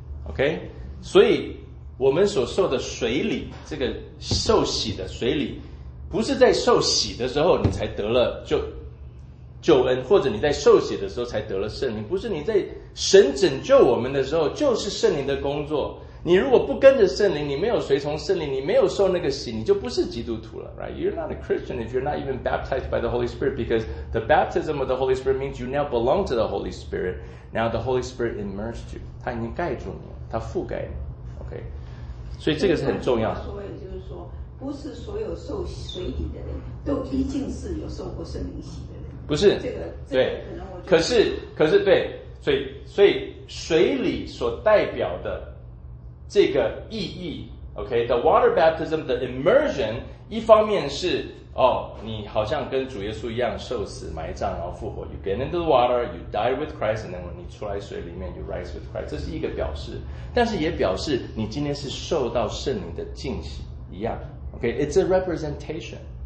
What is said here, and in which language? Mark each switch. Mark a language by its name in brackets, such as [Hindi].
[Chinese] OK， 所以我们所受的水礼，这个受洗的水礼，不是在受洗的时候你才得了救恩，或者你在受洗的时候才得了圣灵，不是你在神拯救我们的时候就是圣灵的工作。你如果不跟着圣灵，你没有随从圣灵，你没有受那个洗，你就不是基督徒了， right? [English] You're not a Christian if you're not even baptized by the Holy Spirit, because the baptism of the Holy Spirit means you now belong to the Holy Spirit. Now the Holy Spirit immersed you. [Chinese] 他已经盖住你了，他覆盖你。OK， 所以这个是很重要的。不是所有受水礼的人都一定是有受过圣灵洗的。不是，对，可是对，所以水礼所代表的这个意义 ，OK， [English] the water baptism, the immersion， [Chinese] 一方面是哦，你好像跟主耶稣一样受死埋葬，然后复活 ， [English] you get into the water, you die with Christ, and then [Chinese] 你出来水里面 ， [English] you rise with Christ， [Chinese] 这是一个表示，但是也表示你今天是受到圣灵的浸洗一样 ，OK， [English] it's a representation。